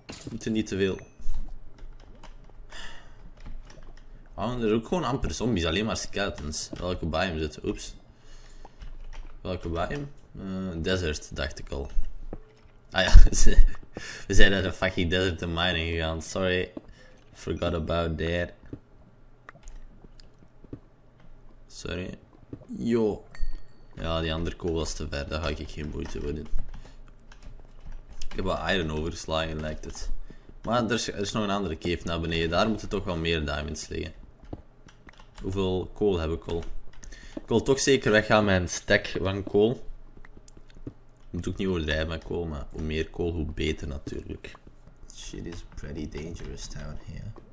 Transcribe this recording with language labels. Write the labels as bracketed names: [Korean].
[Dutch] Moet er niet te veel. Oh, er ook gewoon amper zombies, alleen maar skeletons. Welke biome zit? Oeps. Welke biome? Desert, dacht ik al. Ah ja, we zijn naar de fucking desert te minen gegaan. [English] Sorry, forgot about that. Sorry. Yo. [Dutch] Ja, die andere kogel was te ver, daar ga ik geen moeite voor doen. Ik heb wel iron overgeslagen, lijkt het. Maar er is nog een andere cave naar beneden, daar moeten toch wel meer diamonds liggen. Hoeveel kool heb ik al? Ik wil toch zeker weggaan met een stack van kool. Moet ook niet overdrijven met kool, maar hoe meer kool, hoe beter natuurlijk. [English] Shit is pretty dangerous down here.